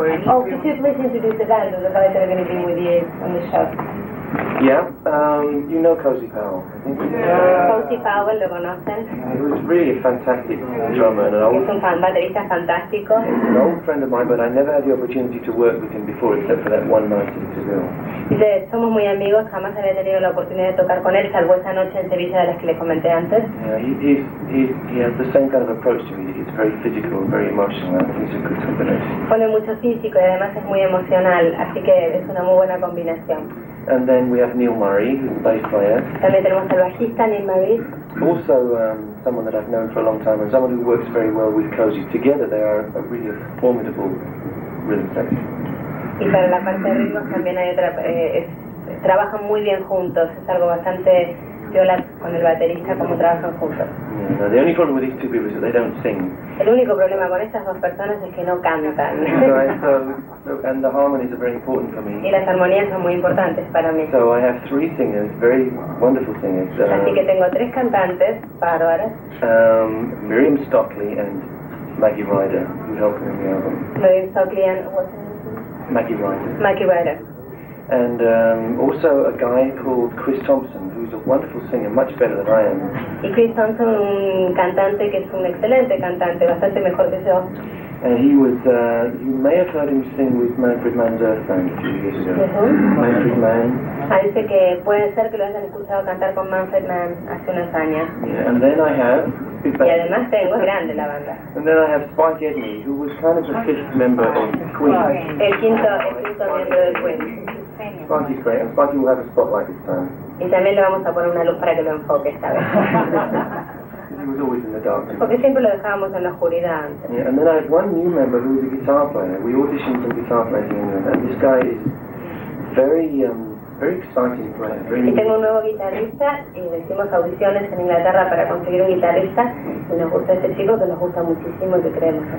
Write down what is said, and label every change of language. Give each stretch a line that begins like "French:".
English: Oh, could you please introduce the band, the guys that are going to be with you on the show? Yeah, you know Cozy Powell.
Spanish: Cozy Powell, ¿lo conocen?
English: He was really a fantastic drummer.
Spanish: Es un baterista fantástico.
English: An old friend of mine, but I never had the opportunity to work with him before, except for that one night in Seville.
Spanish: Dice, somos muy amigos, jamás había tenido la oportunidad de tocar con él, salvo esa noche en Sevilla de las que le comenté antes.
English: He has the same kind of approach to music. It's very physical, very emotional. I think it's a good combination.
Spanish: Pone mucho físico y además es muy emocional, así que es una muy buena combinación.
English: And then we have Neil Murray, who's a bass player.
Spanish: También tenemos al bajista Neil Murray.
English: Also, someone that I've known for a long time, and someone who works very well with Cozy. Together, they are a really formidable rhythm section.
Spanish: Y para la parte de ritmos también hay otra. Trabajan muy bien juntos. Es algo bastante viola con el baterista como trabajan juntos.
English: Yeah, the only problem with these two people is that they don't sing.
Spanish: El único problema con estas dos personas es que no cantan.
English: And the harmonies are very important for me.
Spanish: Y las armonías son muy importantes para mí.
English: So I have three singers, very wonderful singers.
Spanish: Así que tengo tres cantantes bárbaras.
English: Miriam Stockley and Maggie Ryder, who helped me on the album. Miriam Stockley and what's her name? Maggie Ryder. Maggie Ryder. And also a guy called Chris Thompson, who's a wonderful singer, much better than I am.
Spanish: Y Chris Thompson, un cantante que es un excelente cantante, bastante mejor que yo.
English: And he was, you may have heard him sing with Manfred Mann's Earth Band a few years ago. Uh-huh. Manfred Mann.
Spanish: Parece que puede ser que lo hayan escuchado cantar con Manfred Mann hace unos años.
English: Yeah, and then I have...
Spanish: Y además tengo grande la banda.
English: And then I have Spike Edney, who was kind of the fifth member of Queen.
Spanish: El quinto miembro de Queen.
English: Sparky's great, and Sparky will have a spotlight this time.
Spanish: Y también le vamos a poner una luz para que lo enfoque esta vez.
English: He was always in the dark.
Spanish: Porque siempre lo dejábamos en la oscuridad antes.
English: Yeah, and then I have one new member who is a guitar player. We auditioned some guitar players in England, and this guy is very
Spanish: Y tengo un nuevo guitarrista y le hicimos audiciones en Inglaterra para conseguir un guitarrista. Y nos gusta este chico que nos gusta muchísimo y que creemos.